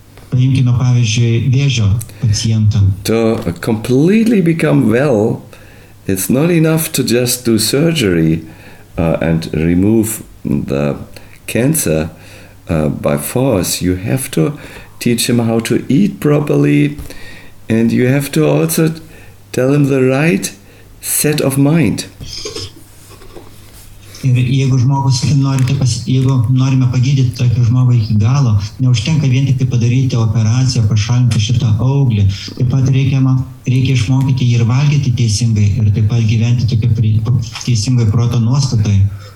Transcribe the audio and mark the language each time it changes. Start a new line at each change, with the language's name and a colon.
Lithuanian: Paimkime pavyzdžiui vėžio pacientą.
English: To completely become well, it's not enough to just do surgery and remove the cancer by force. You have to teach him how to eat properly, and you have to also tell him the right set of mind.
Lithuanian: Ir jeigu žmogus norite jeigu norime pagydyti tokį žmogų iki galo, neužtenka vien tik padaryti operaciją, pašalinti šitą auglį. Taip pat reikia išmokyti jį ir valgyti teisingai ir taip pat gyventi tokia teisingai proto nuostatai.